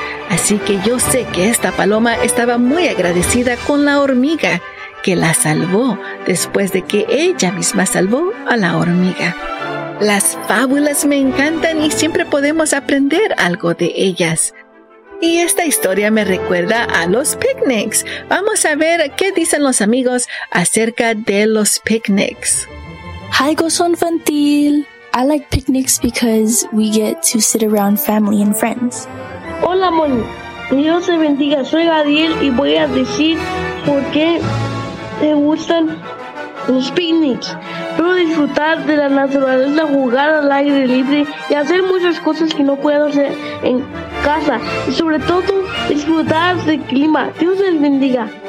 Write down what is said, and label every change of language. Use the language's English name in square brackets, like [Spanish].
[Spanish] Así que yo sé que esta paloma estaba muy agradecida con la hormiga que la salvó después de que ella misma salvó a la hormiga. Las fábulas me encantan y siempre podemos aprender algo de ellas. Y esta historia me recuerda a los picnics. Vamos a ver qué dicen los amigos acerca de los picnics. [English] Hi, gozo infantil. I like picnics because we get to sit around family and friends. [Spanish] Hola, Moni. Dios te bendiga. Soy Gabriel y voy a decir por qué me gustan los picnics. Puedo disfrutar de la naturaleza, jugar al aire libre y hacer muchas cosas que no puedo hacer en casa. Y sobre todo, disfrutar del clima. Dios te bendiga.